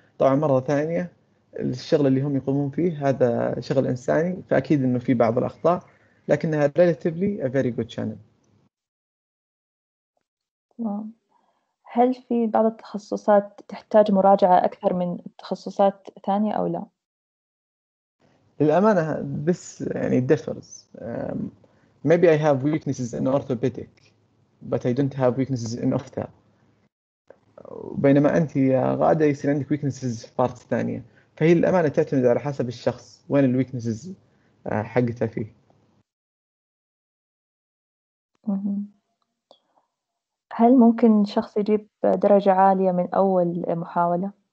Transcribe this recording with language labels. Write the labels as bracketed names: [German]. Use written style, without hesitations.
[Arabic] طبعا مره ثانيه الشغل اللي هم يقومون فيه هذا شغل انساني، فاكيد انه في بعض الاخطاء، لكنها [English] relatively a very good channel. [Arabic] هل في بعض التخصصات تحتاج مراجعة أكثر من تخصصات ثانية أو لا؟ للأمانة this يعني differs. [English] Maybe I have weaknesses in orthopedic but I don't have weaknesses in ortho. [Arabic] بينما أنت يا غادة يصير عندك weaknesses في parts ثانية. فهي الأمانة تعتمد على حسب الشخص وين ال weaknesses حقتها فيه. هل ممكن شخص يجيب درجة عالية من أول محاولة؟